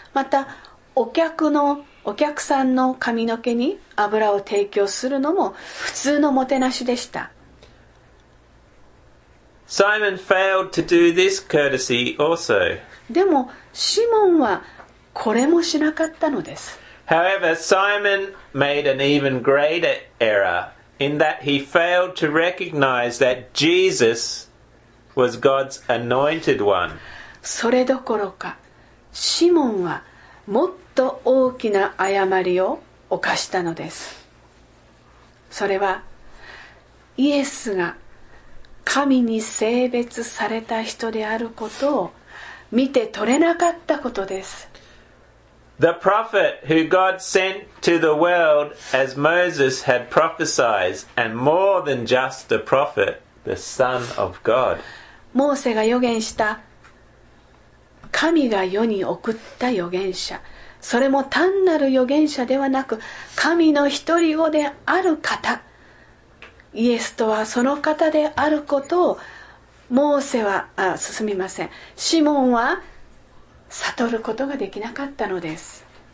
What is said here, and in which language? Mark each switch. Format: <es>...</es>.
<ja>また、お客のお客さんの髪の毛に油を提供するのも普通のもてなしでした。</ja> <en>Simon failed to do this courtesy also.</en> <ja>でも、シモンはこれもしなかったのです。</ja> <en>However, Simon made an even greater error in that he failed to recognize that Jesus was God's anointed one.</en> <ja>それどころか、シモンはもっと大きな誤りを犯したのです。それは、イエスが神に性別された人であることを見て取れなかったことです。</ja> <en>The prophet who God sent to the world as Moses had prophesied, and more than just a prophet, the Son of God.</en> <ja>モーセが預言した、神が世に送った預言者、それも単なる預言者ではなく、神の一人子である方。イエスとはその方であることをモーセは、シモンは悟ることができなかったのです。</ja>